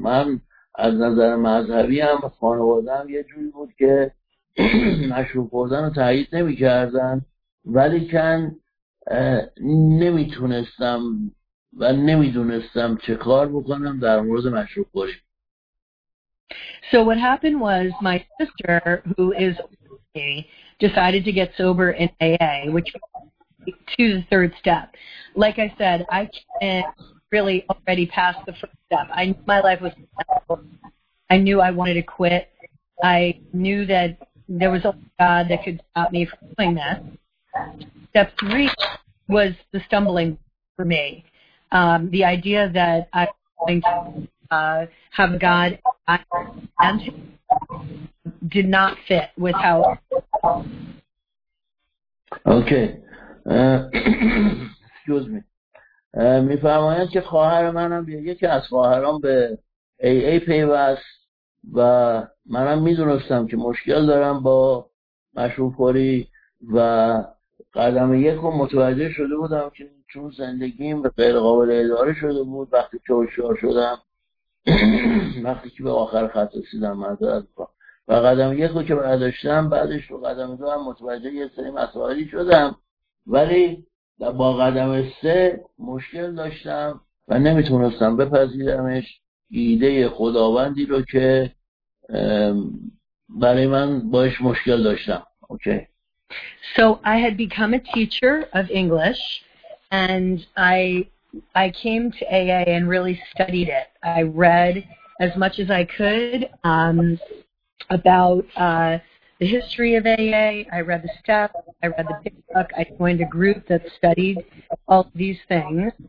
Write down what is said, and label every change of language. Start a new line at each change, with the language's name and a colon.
Persian: من از نظر مذهبی هم خانواده هم یه جوری بود که مشروب خوردن رو تایید نمی کردن، ولی کن نمیتونستم و نمیدونستم چه کار بکنم در مورد مشروب خوری.
English: So what happened was my sister, who is decided to get sober in AA, which was to the third step. Like I said, I can't really already pass the first step. I knew my life was terrible. I knew I wanted to quit. I knew that there was only God that could stop me from doing this. Step three was the stumbling for me. The idea that I was going to have a God and him did not fit with how.
Persian: اوکی
English: excuse me
Persian: میفرمایند که خواهر منم به یکی از خواهران به AA پیوست و منم میدونستم که مشکل دارم با مشروب خوری و قدم یکو متوجه شده بودم که چون زندگیم به غیر قابل اداره شده بود وقتی که هوشیار شدم وقتی که به آخر خط رسیدم معذرت می‌خوام و قدم یک رو که برداشتم بعدش رو قدم دو هم متوجه یه سری مسائلی شدم ولی با قدم سه مشکل داشتم و نمیتونستم بپذیرمش ایده خداوندی رو که برای من باش مشکل داشتم.
English: Okay. So I had become a teacher of English and I came to AA and really studied it. I read as much as I could about the history of AA. I read the steps, I read the big book, I joined a group that studied all these things.